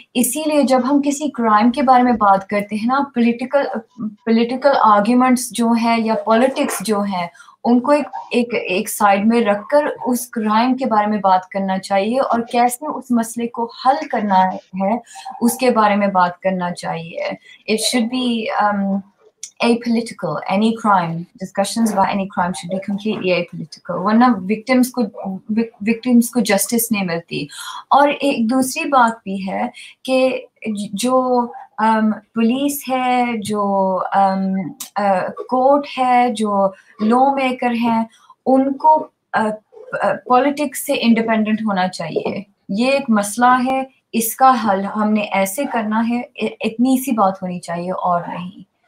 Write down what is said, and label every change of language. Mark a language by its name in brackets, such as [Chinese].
[Hindi] इसीलिए जब हम किसी क्राइम के बारे में बात करते हैं ना, पॉलिटिकल आर्ग्यूमेंट्स जो है या पॉलिटिक्स जो है, उनको एक एक एक साइड में रखकर उस क्राइम के बारे में बात करना चाहिए, और कैसे उस मसले को हल करना है उसके बारे में बात करना चाहिए। [English] it should be apolitical, any crime, discussions about any crime should be completely apolitical, [Hindi] वरना [English] victims को justice [Hindi] नहीं मिलती। और एक दूसरी बात भी है कि जो पुलिस है, जो कोर्ट है, जो लॉ मेकर हैं, उनको पॉलिटिक्स से इंडिपेंडेंट होना चाहिए। ये एक मसला है, इसका हल हमने ऐसे करना है, इतनी सी बात होनी चाहिए और नहीं।